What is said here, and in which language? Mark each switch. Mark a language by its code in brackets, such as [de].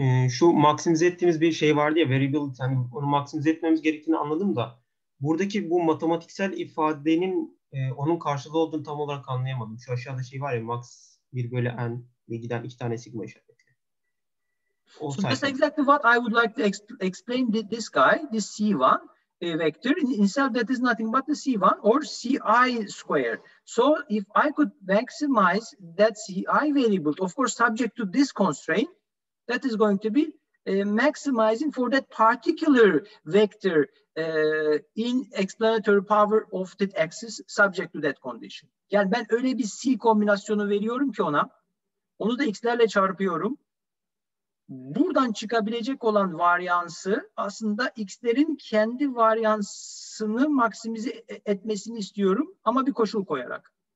[tr] Şu maksimize ettiğimiz bir şey vardı ya, variability. Yani onu maksimize etmemiz gerektiğini anladım da, buradaki bu matematiksel ifadenin onun karşılığı olduğunu tam olarak anlayamadım. Şu aşağıda şey var ya, max 1 bölü n ve giden 2 tane sigma işaretli. [en] O so that's exactly what I would like to explain this guy, this c1 vector. In itself that is nothing but the c1 or ci square. So if I could maximize that ci variable, of course subject to this constraint, that is going to be maximizing for that particular vector in explanatory power of that axis subject to that condition. [tr] Yani ben öyle bir C kombinasyonu veriyorum ki ona, onu da x'lerle çarpıyorum. Buradan çıkabilecek olan varyansı aslında x'lerin kendi varyansını maksimize etmesini istiyorum ama bir koşul koyarak.